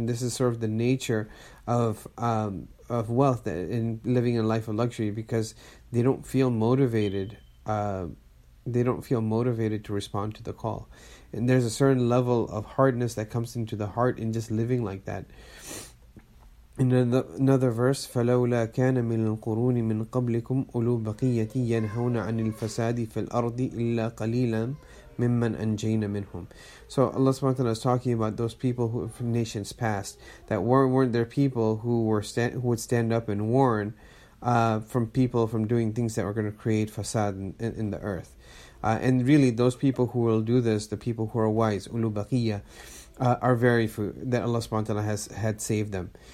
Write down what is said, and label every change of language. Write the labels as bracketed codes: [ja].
[en] And this is sort of the nature of wealth in living a life of luxury, because they don't feel motivated. They don't feel motivated to respond to the call. And there's a certain level of hardness that comes into the heart in just living like that. In another verse, [ar] فَلَوْلَا كَانَ مِنْ الْقُرُونِ مِنْ قَبْلِكُمْ أُولُو بَقِيَّةٍ يَنْهَوْنَ عَنِ الْفَسَادِ فِي الْأَرْضِ إِلَّا قَلِيلًا مِمَّنْ أَنْجَيْنَ مِنْهُمْ. [en] So Allah subhanahu wa ta'ala is talking about those people who, from nations past, that weren't there people who would stand up and warn from people from doing things that were going to create fasad in the earth. And really, those people who will do this, the people who are wise, ulu baqiyya, are very few, that Allah subhanahu wa ta'ala has had saved them.